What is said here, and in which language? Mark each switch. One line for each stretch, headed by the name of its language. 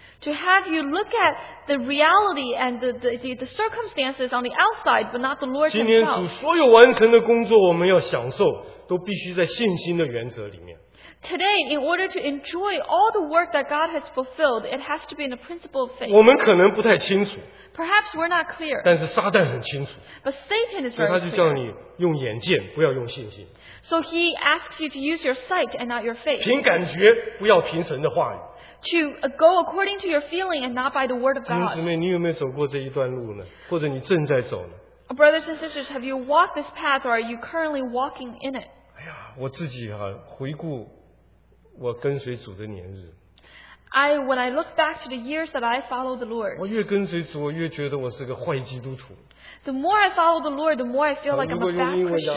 English: To have you look at the reality and the circumstances on the outside, but not the Lord himself.
Chinese: 今天主所有完成的工作，我们要享受，都必须在信心的原则里面。
English: Today, in order to enjoy all the work that God has fulfilled, it has to be in the principle of faith.
Chinese: 我们可能不太清楚,
English: Perhaps we're not clear.
Chinese: 但是撒旦很清楚,
English: but Satan is very clear.
Chinese: 他就叫你用眼见, 不要用信心,
English: so he asks you to use your sight and not your faith.
Chinese: 凭感觉, 不要凭神的话语,
English: to go according to your feeling and not by the word of God.
Chinese: 弟兄姊妹, 你有没有走过这一段路呢? 或者你正在走呢?
English: Brothers and sisters, have you walked this path or are you currently walking in it?
Chinese: 我自己啊，回顾我跟随主的年日。
English: When I look back to the years that I follow the Lord,
Chinese: 我越跟随主，我越觉得我是个坏基督徒。
English: The more I follow the Lord, the more I feel like I'm a bad Christian.